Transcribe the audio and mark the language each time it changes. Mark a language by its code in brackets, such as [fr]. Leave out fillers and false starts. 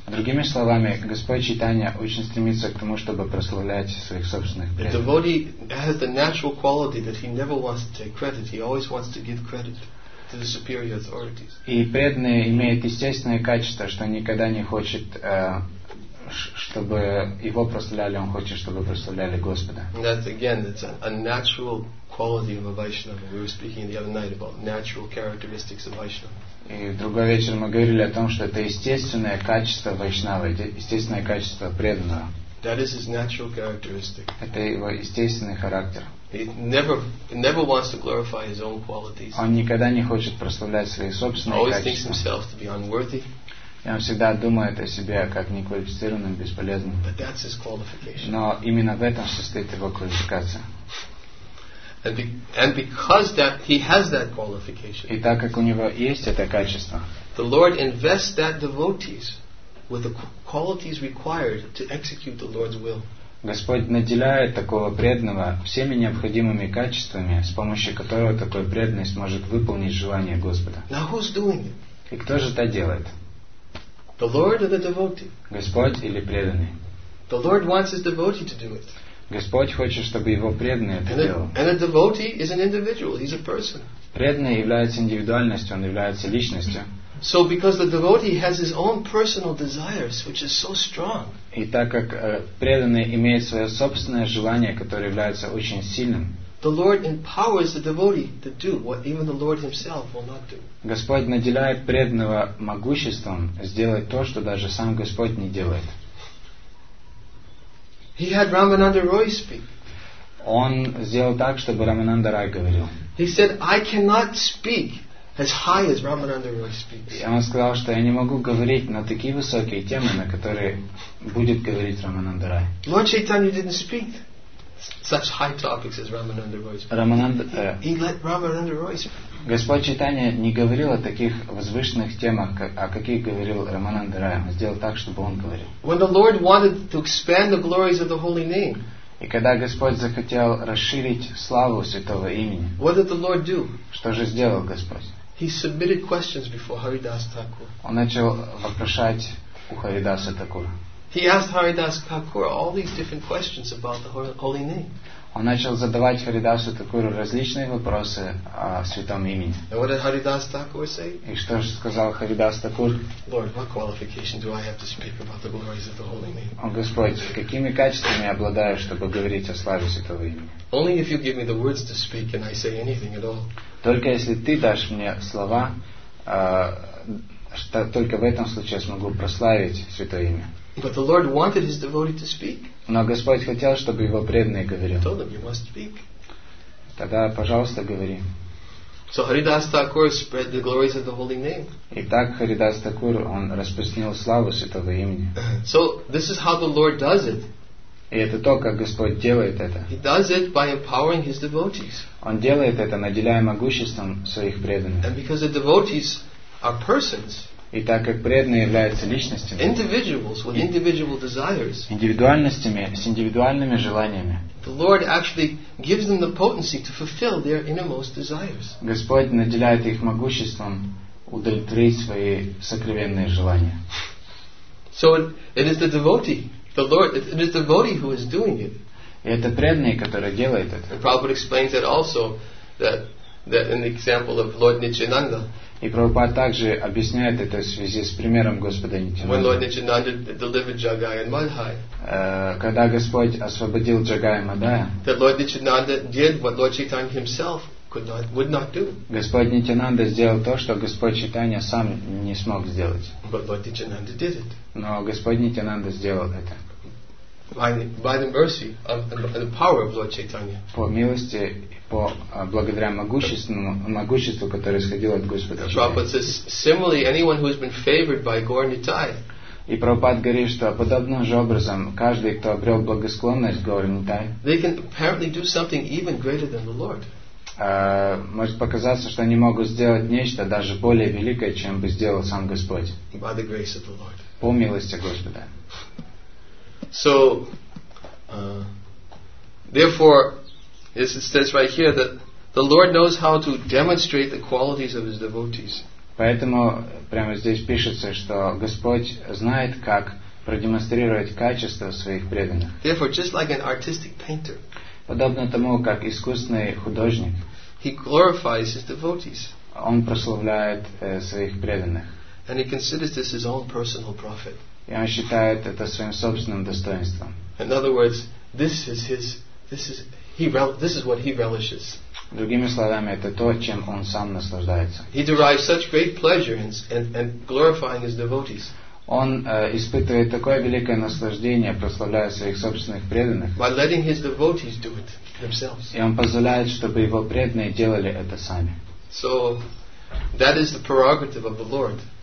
[ru] Другими словами, Господь Читания очень стремится к тому, чтобы прославлять своих собственных преданных. [en] The devotee has the natural quality that he never wants to take credit; he always wants to give credit. The superior authorities. [ru] И преданный имеет естественное качество, что никогда не хочет, чтобы его прославляли, он хочет, чтобы прославляли Господа. [en] That's again, it's a natural quality of a Vaishnava. We were speaking the other night about natural characteristics of Vaishnava. [ru] И в другой вечер мы говорили о том, что это естественное качество Вайшнавы, естественное качество преданного. [en] That is his natural characteristic. [ru] Это его естественный характер. [en] He never wants to glorify his own qualities. [ru] Он никогда не хочет прославлять свои собственные качества. [en] Always thinks himself to be unworthy. [ru] И он всегда думает о себе как неквалифицированном, бесполезном. [en] But that's his qualification. [ru] Но именно в этом состоит его квалификация. [en] And because that he has that qualification. [ru] И так как у него есть это качество. [en] The Lord invests that devotees with the qualities required to execute the Lord's will. [ru] Господь наделяет такого преданного всеми необходимыми качествами, с помощью которого такой преданный сможет выполнить желание Господа. [en] Now who's doing it? [ru] И кто же это делает? [en] The Lord or the devotee? [ru] Господь или преданный? [en] The Lord wants his devotee to do it. [ru] Господь хочет, чтобы его преданный это делал. [en] And a devotee is an individual, he's a person. [ru] Преданный является индивидуальностью, он является личностью. [en] So because the devotee has his own personal desires, which is so strong. [ru] И так как преданный имеет своё собственное желание, которое является очень сильным. [en] The Lord empowers the devotee to do what even the Lord himself will not do. [ru] Господь наделяет преданного могуществом сделать то, что даже сам Господь не делает. [en] He had Ramananda Roy speak. [ru] Он сделал так, чтобы Рамананда Рай говорил. [en] He said, "I cannot speak as high as Ramananda Roy speaks." [ru] И он сказал, что я не могу говорить на такие высокие темы, на которые будет говорить Рамананда Рай. [en] Lord Chaitanya didn't speak such high topics as Ramananda Roy speaks. He let Ramananda Roy speak. [ru] Господь Чайтанья не говорил о таких возвышенных темах, о каких говорил Рамананда Рай. Он сделал так, чтобы он говорил. [en] When the Lord wanted to expand the glories of the holy name. [ru] И когда Господь захотел расширить славу Святого Имени, [en] what did the Lord do? [ru] Что же сделал Господь? [en] He submitted questions before Haridas Thakur. [ru] Он начал вопрошать у Харидаса Такура. [en] He asked Haridas Thakur all these different questions about the holy name. [ru] Он начал задавать Харидасу Такуру различные вопросы о Святом Имени. [en] And what did Haridas Thakur say? [ru] И что же сказал Харидас Такур? [en] Lord, what qualification do I have to speak about the glories of the holy name? [ru] О Господь, какими качествами я обладаю, чтобы говорить о славе Святого Имени? [en] Only if you give me the words to speak and I say anything at all. [ru] Только если ты дашь мне слова, что только в этом случае я смогу прославить Святое Имя. [en] But the Lord wanted his devotee to speak. [ru] Но Господь хотел, чтобы его преданный говорил. [en] He told him, you must speak. [ru] Тогда, пожалуйста, говори. [en] So Haridas Thakur spread the glories of the holy name. [ru] И так Харидас Такур, он распространил славу Святого Имени. [en] So this is how the Lord does it. [ru] И это то, как Господь делает это. [en] He does it by empowering his devotees. [ru] Он делает это, наделяя могуществом своих преданных. [en] And because the devotees are persons. [ru] И так как преданные являются личностями, индивидуальностями с индивидуальными желаниями, Господь наделяет их могуществом удовлетворить свои сокровенные желания. [en] So it is the devotee, the Lord, it is the devotee who is doing it. [ru] И это преданный, который делает это. [en] And Prabhupada explains it also that in the example of Lord Nityananda. [ru] И Прабхупада также объясняет это в связи с примером Господа Нитянанда. Когда Господь освободил Джагая Мадая, [en] Lord Nityananda did what Lord Chaitanya himself could not, would not do. [ru] Господь Нитянанда сделал то, что Господь Чайтанья сам не смог сделать. [en] But Lord Nityananda did it. [ru] Но Господь Нитянанда сделал это. [en] By the mercy of the power of Lord Chaitanya. [ru] По милости, благодаря могуществу, которое исходило от Господа. [en] Prabhupada says, similarly, anyone who has been favored by Gaur Nitai. [ru] И Прабхупада говорит, что подобным же образом каждый, кто обрел благосклонность Гаур Нитай, [en] they can apparently do something even greater than the Lord. [ru] Может показаться, что они могут сделать нечто даже более великое, чем бы сделал сам Господь. [en] By the grace of the Lord. [ru] По милости Господа. [en] So, therefore, it says right here that the Lord knows how to demonstrate the qualities of his devotees. [ru] Поэтому прямо здесь пишется, что Господь знает, как продемонстрировать качества своих преданных. [en] Therefore, just like an artistic painter, [ru] подобно тому, как искусственный художник, [en] he glorifies his devotees. [ru] Он прославляет своих преданных. [en] And he considers this his own personal profit. [ru] И он считает это своим собственным достоинством. [en] In other words, this is what he relishes. [ru] Другими словами, это то, чем он сам наслаждается. [en] He derives such great pleasure in and glorifying his devotees. [ru] Он испытывает такое великое наслаждение, прославляя своих собственных преданных. [en] By letting his devotees do it themselves. [ru] И он позволяет, чтобы его преданные делали это сами. [en] So that is the prerogative of the Lord.